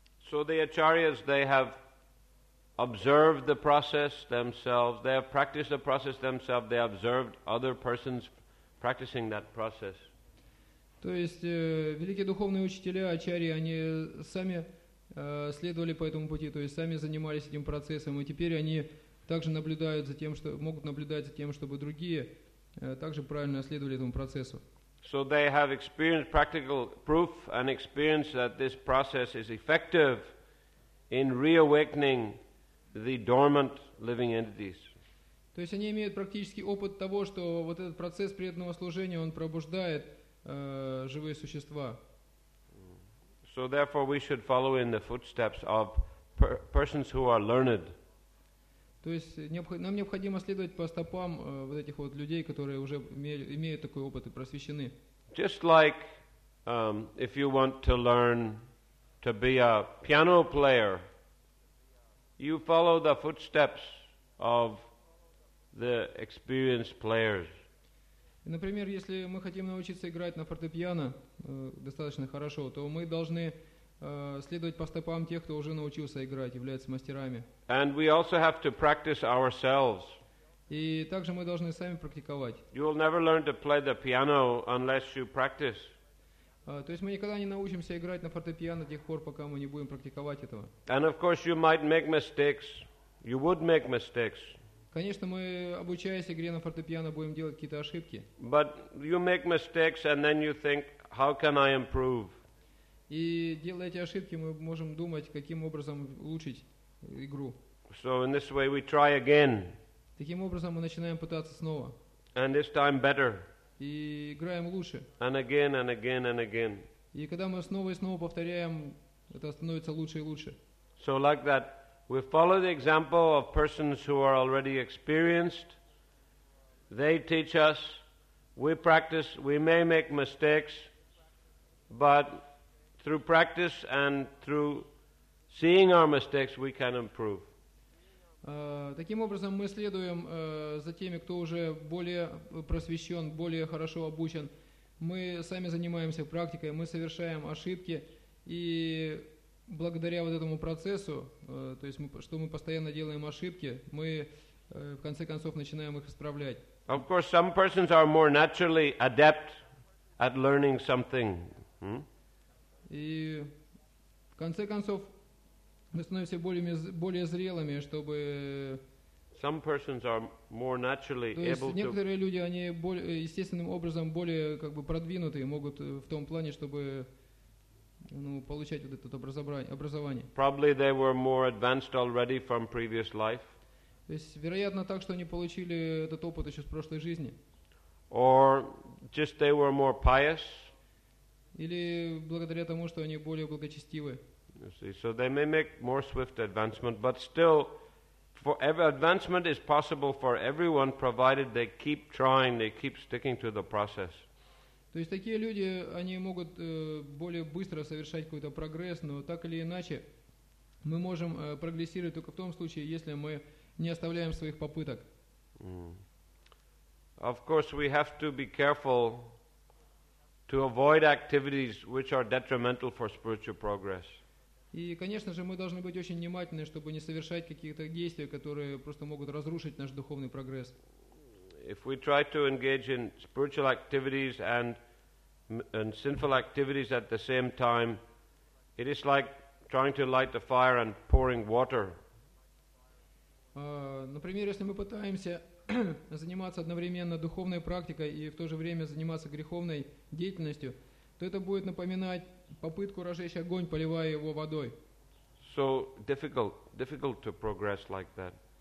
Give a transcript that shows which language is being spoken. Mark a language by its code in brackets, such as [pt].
[en] So the acharyas, they have observed the process themselves, they have practiced the process themselves, they observed other persons practicing that process. [ru] То есть великие духовные учителя, ачарьи, они сами следовали по этому пути, то есть сами занимались этим процессом, и теперь они также наблюдают за тем, что могут наблюдать за тем, чтобы другие также правильно следовали этому процессу. [en] So they have experienced practical proof and experience that this process is effective in reawakening the dormant living entities. [ru] То есть они имеют практический опыт того, что вот этот процесс преданного служения, он пробуждает живые существа. [en] So therefore we should follow in the footsteps of persons who are learned. [ru] То есть нам необходимо следовать по стопам вот этих вот людей, которые уже имеют такой опыт и просвещены. [en] Just like if you want to learn to be a piano player, you follow the footsteps of the experienced players. [ru] Например, если мы хотим научиться играть на фортепиано достаточно хорошо, то мы должны следовать по стопам тех, кто уже научился играть, является мастерами. [en] And we also have to practice ourselves. [ru] И также мы должны сами практиковать. [en] You will never learn to play the piano unless you practice. [ru] То есть мы никогда не научимся играть на фортепиано до тех пор, пока мы не будем практиковать этого. [en] And of course you might make mistakes. You would make mistakes. [ru] Конечно, мы, обучаясь игре на фортепиано, будем делать какие-то ошибки. [en] But you make mistakes and then you think, how can I improve? [ru] И делая эти ошибки, мы можем думать, каким образом улучшить игру. [en] So in this way we try again. [ru] Таким образом мы начинаем пытаться снова. [en] And this time better. [ru] И играем лучше. [en] And again, and again, and again. [ru] И когда мы снова и снова повторяем, это становится лучше и лучше. [en] So like that. We follow the example of persons who are already experienced. They teach us. We practice. We may make mistakes, but through practice and through seeing our mistakes, we can improve. [ru] Таким образом, мы следуем за теми, кто уже более просвещен, более хорошо обучен. Мы сами занимаемся практикой, мы совершаем ошибки и благодаря вот этому процессу, то есть мы, что мы постоянно делаем ошибки, мы в конце концов начинаем их исправлять. [en] Of course, some persons are more naturally adept at learning something. [ru] И в конце концов мы становимся более зрелыми, чтобы. [en] Some persons are more naturally able to. [ru] То есть некоторые люди они естественным образом более как бы продвинутые могут в том плане, чтобы ну, получать вот это образование. [en] Probably they were more advanced already from previous life. [ru] То есть, вероятно, так, что они получили этот опыт еще с прошлой жизни. [en] Or just they were more pious. [ru] Или благодаря тому, что они более благочестивы. [en] You see, so they may make more swift advancement, but still, for every advancement is possible for everyone, provided they keep trying, they keep sticking to the process. [ru] То есть такие люди, они могут более быстро совершать какой-то прогресс, но так или иначе мы можем прогрессировать только в том случае, если мы не оставляем своих попыток. [en] Of course, we have to be careful to avoid activities which are detrimental for spiritual progress. [ru] И, конечно же, мы должны быть очень внимательны, чтобы не совершать каких-то действий, которые просто могут разрушить наш духовный прогресс. [en] If we try to engage in spiritual activities and sinful activities at the same time, it is like trying to light the fire and pouring water. [ru] Например, если мы пытаемся заниматься одновременно духовной практикой и в то же время заниматься греховной деятельностью, то это будет напоминать попытку разжечь огонь, поливая его водой. [en] so difficult to progress like that.